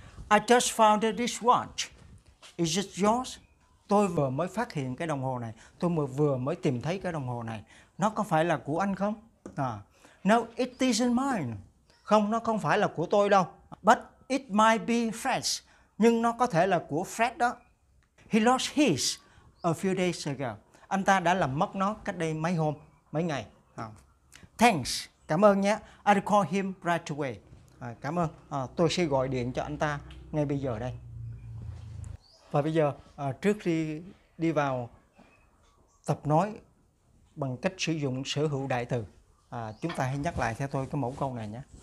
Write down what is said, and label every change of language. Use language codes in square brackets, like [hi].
[en] I just found this watch. Is it yours? [vi] Tôi vừa mới phát hiện cái đồng hồ này. Tôi vừa mới tìm thấy cái đồng hồ này. Nó có phải là của anh không? [en] No, it isn't mine. [vi] Không, nó không phải là của tôi đâu. [en] But it might be Fred's. [vi] Nhưng nó có thể là của Fred đó. [en] He lost his a few days ago. [vi] Anh ta đã làm mất nó cách đây mấy hôm, mấy ngày. [en] Thanks. [vi] Cảm ơn nhé. [en] I'll call him right away. [vi] Cảm ơn. Tôi sẽ gọi điện cho anh ta ngay bây giờ đây. Và bây giờ, trước khi đi vào tập nói bằng cách sử dụng sở hữu đại từ, chúng ta hãy nhắc lại theo tôi cái mẫu câu này nhé.